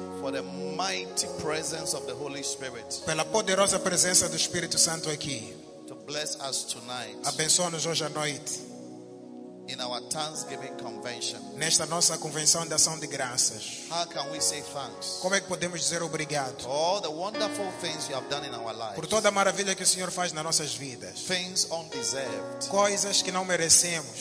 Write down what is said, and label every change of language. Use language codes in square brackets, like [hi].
[en] for the mighty presence of the Holy Spirit, [pt] pela poderosa presença do Espírito Santo aqui. [en] To bless us tonight, [pt] abençoa-nos hoje à noite. [en] In our Thanksgiving convention, [pt] nesta nossa convenção de ação de graças. [en] How can we say thanks? [pt] Como é que podemos dizer obrigado? [en] All the wonderful things you have done in our lives, [pt] por toda a maravilha que o Senhor faz nas nossas vidas. [en] Things undeserved, [pt] coisas que não merecemos.